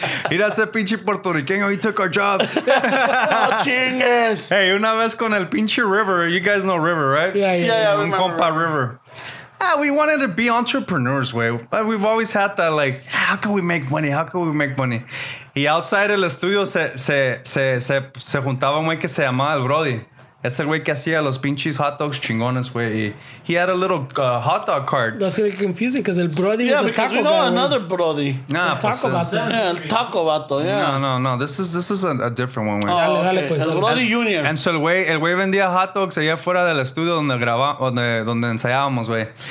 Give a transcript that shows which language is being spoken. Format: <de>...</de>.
<es>Mira ese pinche puertorriqueño.</es> <en>He took our jobs.</en> <es>No chingues. Hey, una vez con el pinche River.</es> <en>You guys know River, right? Yeah.</en> <es>Un</es> <en>compa River. We wanted to be entrepreneurs, way. But we've always had that, like, how can we make money? Y outside el estudio se juntaba un güey que se llamaba el Brody. Ese güey que hacía los pinches hot dogs chingones, güey. He had a little hot dog cart. That's really confusing because el Brody was a taco. Yeah, because we know another Brody. Nah,</en> <es>el taco vato. Yeah, el taco vato, yeah.</es> <en>No. This is a different one, güey. Oh, okay. El Brody Jr. And so</en> <es>el güey vendía hot dogs allá afuera del estudio donde ensayábamos, güey.</es>